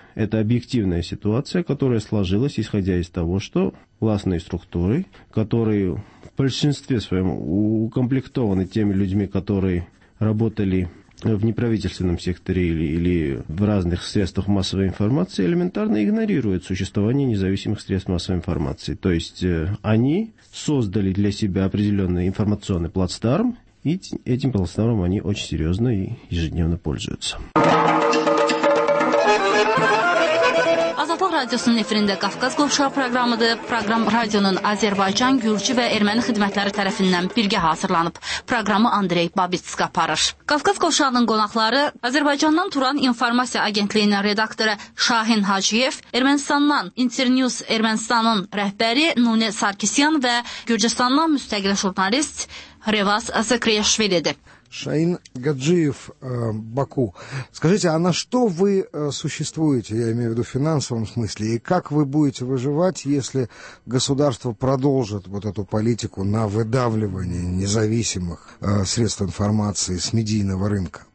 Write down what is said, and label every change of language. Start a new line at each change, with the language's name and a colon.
Russian: Это объективная ситуация, которая сложилась, исходя из того, что властные структуры, которые в большинстве своем укомплектованы теми людьми, которые работали в неправительственном секторе или в разных средствах массовой информации, элементарно игнорируют существование независимых средств массовой информации. То есть они создали для себя определенный информационный плацдарм, и этим плацдармом они очень серьезно и ежедневно пользуются.
Azerbaijani: Radiosunun efirində Qafqaz Qovşağı proqramıdır. Proqram radionun Azərbaycan, Gürcü və Erməni xidmətləri tərəfindən birgə hazırlanıb. Proqramı Andrey Babitsk aparır. Qafqaz Qovşağının qonaqları Azərbaycandan Turan İnformasiya Agentliyinin redaktoru Şahin Hacıyev, Ermənistandan Internews Ermənistanın rəhbəri Nune Sarkisyan və Gürcüstandan müstəqil jurnalist Revaz Zakriyashvilidir.
Russian: Шаин Гаджиев, Баку. Скажите, а на что вы существуете, я имею в виду в финансовом смысле, и как вы будете выживать, если государство продолжит вот эту политику на выдавливание независимых средств информации с медийного рынка?